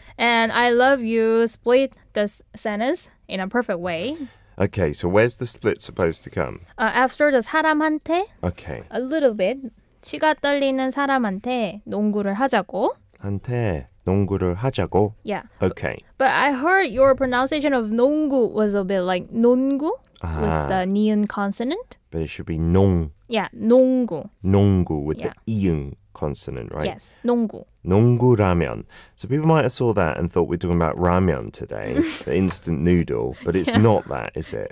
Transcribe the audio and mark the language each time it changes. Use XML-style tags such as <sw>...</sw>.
<en>And I love you split the sentence in a perfect way. Okay, so where's the split supposed to come? After the 사람한테. Okay. A little bit.</en> <ko>치가 떨리는 사람한테 농구를 하자고. 한테 농구를 하자고.</ko> <en>Yeah. Okay. But I heard your pronunciation of 농구 was a bit like 농구 with the niun consonant. But it should be 농. Yeah, 농구. 농구 with the iun consonant, right? Yes, 농구.</en> <ko>농구라면.</ko> <en>So people might have saw that and thought we're talking about ramen today, the instant noodle, but it's not that, is it?</en>